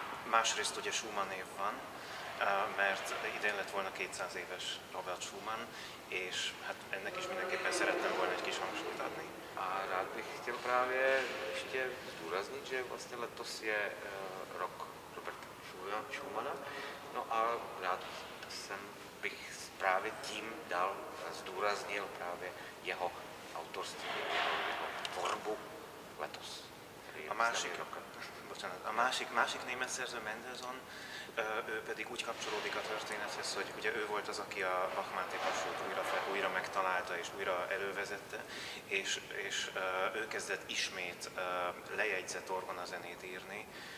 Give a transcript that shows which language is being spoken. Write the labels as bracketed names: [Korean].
[Hungarian] Másrészt ugye Schumann név van, mert idén lett volna 200 éves Robert Schumann, és hát ennek is mindenképpen szerettem volna egy kis hangsúlyt adni. [Czech] A rád bych chtěl právě ještě zdůraznit, že vlastně letos je rok Roberta Schumana, no a rád jsem bych právě tím dal zdůraznil právě jeho autorství, jeho tvorbu letos. [Hungarian] A másik német szerző Mendelssohn, ő pedig úgy kapcsolódik a történethez, hogy ugye ő volt az, aki a Bach Máté Pasiót újra megtalálta és újra elővezette, és ő kezdett ismét lejegyzett orgonazenét írni.